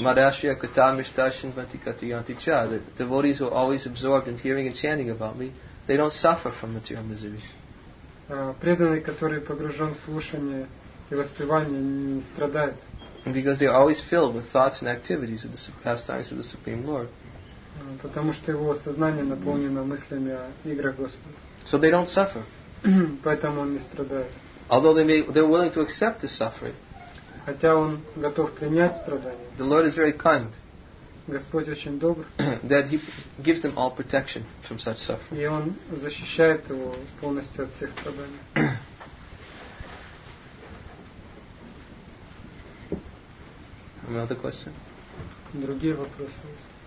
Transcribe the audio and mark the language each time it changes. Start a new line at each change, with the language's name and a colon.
Sanskrit: Марашья катами шташин ватикатиянти ча.
English: The devotees who are always absorbed in hearing and chanting about me, they don't suffer from material miseries.
Russian: Преданный, который погружен в слушание и воспевание, не страдает.
English: Because they are always filled with thoughts and activities of the pastimes of the Supreme Lord.
Russian: Потому что его сознание наполнено мыслями о играх Господа.
English: So they don't suffer.
Russian: Поэтому он не страдает.
English: Although they're willing to accept the suffering.
Russian: Хотя он готов принять страдания.
English: The Lord is very kind.
Russian: Господь очень добр.
English: That he gives them all protection from such suffering.
Russian: И он защищает его полностью от всех страданий.
English: Another question?
Russian: Другие вопросы есть?